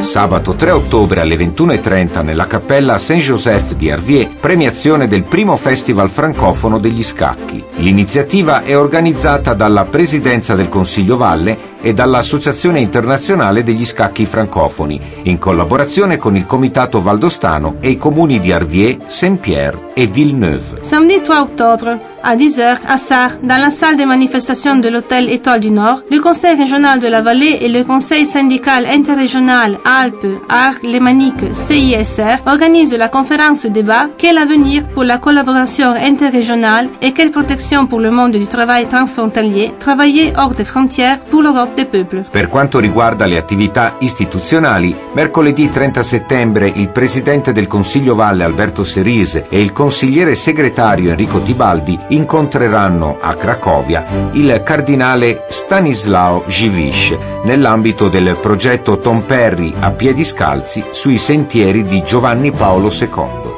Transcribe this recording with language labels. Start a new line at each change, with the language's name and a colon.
Italian: Sabato 3 ottobre alle 21.30 nella cappella Saint-Joseph di Arvier, premiazione del primo festival francofono degli scacchi. L'iniziativa è organizzata dalla Presidenza del Consiglio Valle e dall'Associazione Internazionale degli Scacchi Francofoni, in collaborazione con il Comitato Valdostano e i comuni di Arvier, Saint-Pierre e Villeneuve.
French: Samedi 3 ottobre, à 10h, à Sarre, dans la salle des manifestations de l'hôtel Étoile du Nord, le Conseil Régional de la Vallée et le Conseil Syndical Interrégional Alpes, Arles-Lémanique, CISR, organisent la conférence débat « Quel avenir pour la collaboration interrégionale et quelle protection pour le monde du travail transfrontalier, travailler hors des frontières pour le
Italian: Per quanto riguarda le attività istituzionali, mercoledì 30 settembre il presidente del Consiglio Valle Alberto Serise e il consigliere segretario Enrico Tibaldi incontreranno a Cracovia il cardinale Stanislao Givisch nell'ambito del progetto Tom Perry a piedi scalzi sui sentieri di Giovanni Paolo II.